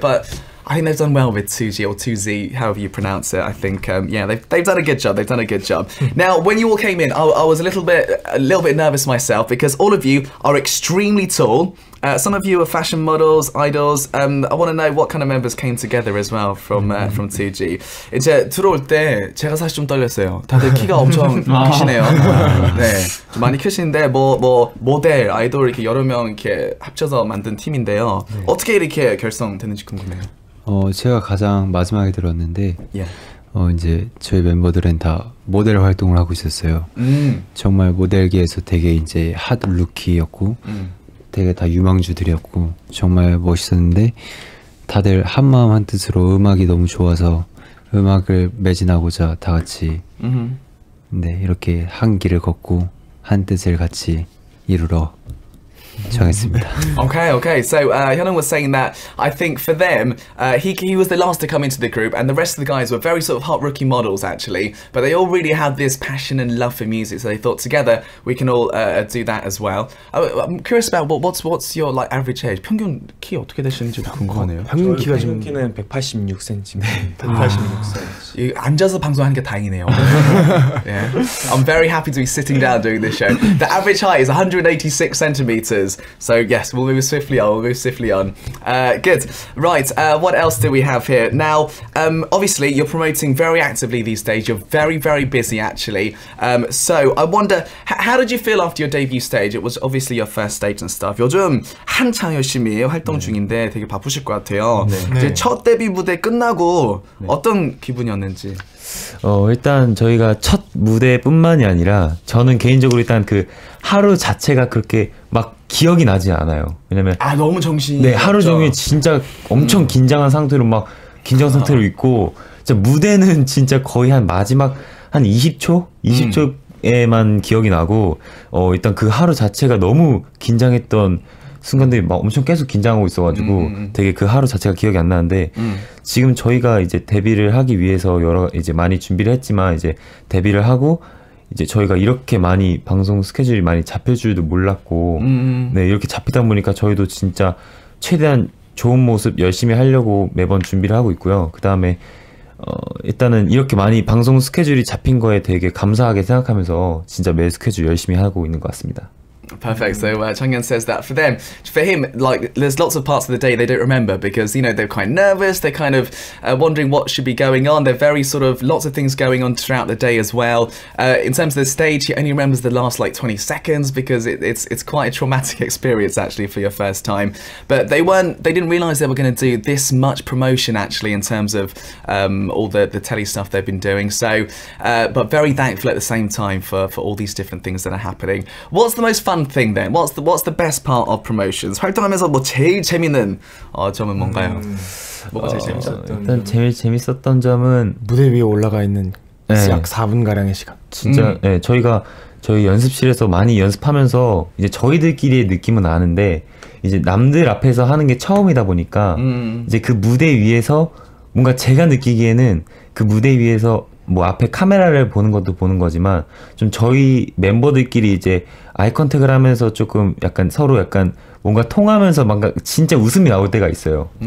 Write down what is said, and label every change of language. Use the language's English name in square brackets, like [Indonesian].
[English] But I think they've done well with 2G or 2Z, however you pronounce it. I think they've done a good job. They've done a good job. Now, when you all came in, I was a little bit nervous myself because all of you are extremely tall. Some of you are fashion models, idols. I want to know what kind of members came together as well from 2G. [Korean] 이제 들어올 때 제가 사실 좀 떨렸어요. 다들 키가 엄청 크시네요. 네, 좀 많이 크신데 뭐 모델, 아이돌 이렇게 여러 명 이렇게 합쳐서 만든 팀인데요. 네. 어떻게 이렇게 결성됐는지 궁금해요. 제가 가장 마지막에 들었는데 yeah. 이제 저희 멤버들은 다 모델 활동을 하고 있었어요. 정말 모델계에서 되게 이제 핫 루키였고 되게 다 유망주들이었고 정말 멋있었는데 다들 한 마음 한 뜻으로 음악이 너무 좋아서 음악을 매진하고자 다 같이 네, 이렇게 한 길을 걷고 한 뜻을 같이 이루러 정했습니다. [English] Okay, okay. So Hyunwoong was saying that I think for them, he was the last to come into the group, and the rest of the guys were very sort of hot rookie models actually. But they all really had this passion and love for music, so they thought together we can all do that as well. I'm curious about what's your like average age? [Korean] 평균 키 어떻게 되시는지 궁금하네요. 평균 키가 지금 키는 186cm. 186cm. 이 앉아서 방송하는 게 다행이네요. [English] Yeah. I'm very happy to be sitting down doing this show. The average height is 186cm. So yes, we'll move swiftly on. We'll move swiftly on. Good. Right. What else do we have here? Now, obviously, you're promoting very actively these days. You're very, very busy, actually. So I wonder, how did you feel after your debut stage? It was obviously your first stage and stuff. [Korean] 요즘 한창 열심히 활동 중인데 되게 바쁘실 것 같아요. 이제 첫 데뷔 무대 끝나고 어떤 기분이었는지. 일단 저희가 첫 무대뿐만이 아니라 저는 개인적으로 일단 그 하루 자체가 그렇게 막 기억이 나지 않아요. 왜냐면 아 너무 정신이 네 하루 종일 진짜 엄청 긴장한 상태로 막 긴장 상태로 있고 진짜 무대는 진짜 거의 한 마지막 한 20초? 20초에만 기억이 나고 일단 그 하루 자체가 너무 긴장했던 순간들이 막 엄청 계속 긴장하고 있어가지고 되게 그 하루 자체가 기억이 안 나는데 지금 저희가 이제 데뷔를 하기 위해서 여러 이제 많이 준비를 했지만 이제 데뷔를 하고 이제 저희가 이렇게 많이 방송 스케줄이 많이 잡힐 줄도 몰랐고 네 이렇게 잡히다 보니까 저희도 진짜 최대한 좋은 모습 열심히 하려고 매번 준비를 하고 있고요. 그 다음에 일단은 이렇게 많이 방송 스케줄이 잡힌 거에 되게 감사하게 생각하면서 진짜 매 스케줄 열심히 하고 있는 것 같습니다. [English] Perfect. So Changyun says that for them, for him, like there's lots of parts of the day they don't remember because you know they're quite nervous. They're kind of wondering what should be going on. They're very sort of lots of things going on throughout the day as well. In terms of the stage, he only remembers the last like 20 seconds because it's quite a traumatic experience actually for your first time. But they didn't realize they were going to do this much promotion actually in terms of all the telly stuff they've been doing. So, but very thankful at the same time for all these different things that are happening. What's the most fun thing then? What's the best part of promotions? [Korean] 활동하면서 뭐 제일 재밌는 점은 뭔가요? 뭐가 제일 재밌었던? 일단 재밌었던 점은 무대 위에 올라가 있는 네. 약 4분 가량의 시간. 진짜 네, 저희 연습실에서 많이 연습하면서 이제 저희들끼리의 느낌은 아는데 이제 남들 앞에서 하는 게 처음이다 보니까 이제 그 무대 위에서 뭔가 제가 느끼기에는 그 무대 위에서 뭐 앞에 카메라를 보는 것도 보는 거지만 좀 저희 멤버들끼리 이제 아이컨택을 하면서 조금 약간 서로 약간 뭔가 통하면서 뭔가 진짜 웃음이 나올 때가 있어요.